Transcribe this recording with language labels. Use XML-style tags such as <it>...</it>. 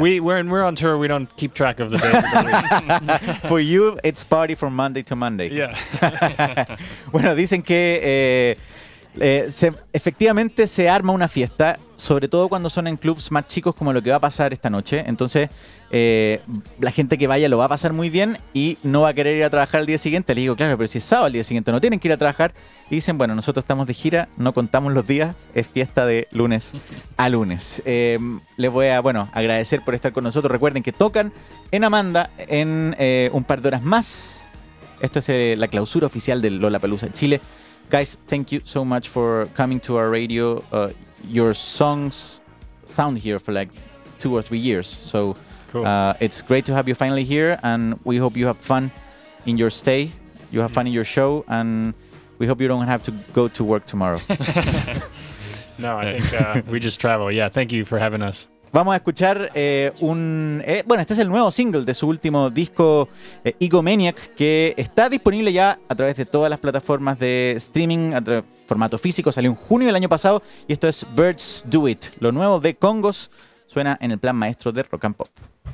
<en>We're on tour. We don't keep track of the days. For you, it's party from Monday to Monday. Yeah.</en> <es>Bueno, dicen que efectivamente se arma una fiesta, sobre todo cuando son en clubs más chicos como lo que va a pasar esta noche. Entonces, la gente que vaya lo va a pasar muy bien y no va a querer ir a trabajar al día siguiente. Le digo, claro, pero si es sábado al día siguiente no tienen que ir a trabajar. Y dicen, bueno, nosotros estamos de gira, no contamos los días, es fiesta de lunes a lunes. Les voy a, bueno, agradecer por estar con nosotros. Recuerden que tocan en Amanda en un par de horas más. Esto es la clausura oficial de Lollapalooza en Chile.</es> <en>Guys, thank you so much for coming to our radio. Your songs sound here for like 2 or 3 years. So cool. It's great to have you finally here, and we hope you have fun in your stay. You have fun in your show, and we hope you don't have to go to work tomorrow. No, I think we just travel. Yeah, thank you for having us.</en> <es>Vamos a escuchar este es el nuevo single de su último disco, Egomaniac, que está disponible ya a través de todas las plataformas de streaming, formato físico, salió en junio del año pasado, y esto es Birds Do It, lo nuevo de Congos, suena en el plan maestro de Rock and Pop.</es>